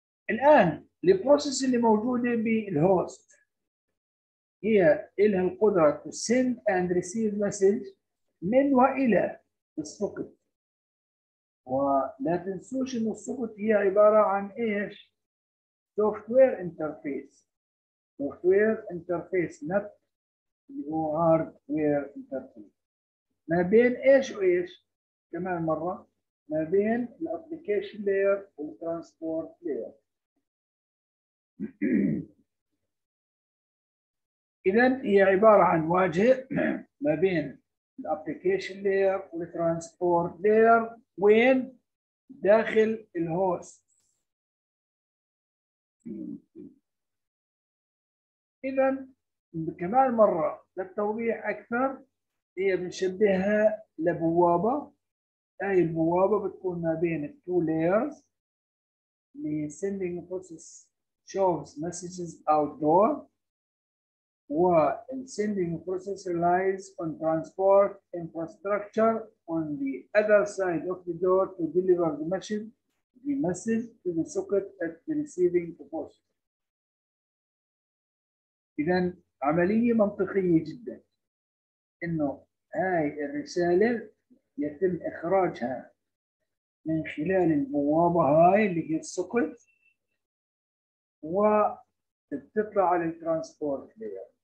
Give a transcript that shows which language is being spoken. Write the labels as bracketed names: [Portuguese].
[Arabic] الآن البروسيس اللي موجودة بالهوست هي إلها القدرة [English] to send and receive message [Arabic] من وإلى السوكت. ولا تنسوش إن السوكت هي عبارة عن إيش؟ [English] software interface. software interface not [Arabic] اللي هو [English] hardware interface. [Arabic] ما بين إيش وإيش؟ كمان مرة، ما بين الـ application layer والـ transport layer. إذن هي عبارة عن واجهة ما بين الـ application layer والـ transport layer وين؟ داخل الـ host. إذن كمان مرة للتوضيح أكثر، هي بنشبهها لبوابة. هاي البوابة بتكون ما بين الـ [English] two layers اللي sending process shows messages outdoor و sending process relies on transport infrastructure on the other side of the door to deliver the message to the socket at the receiving post. [Arabic] إذن عملية منطقية جدا إنه هاي الرسالة يتم إخراجها من خلال البوابة هاي اللي هي السوكت وتطلع على الترانسبورت لير.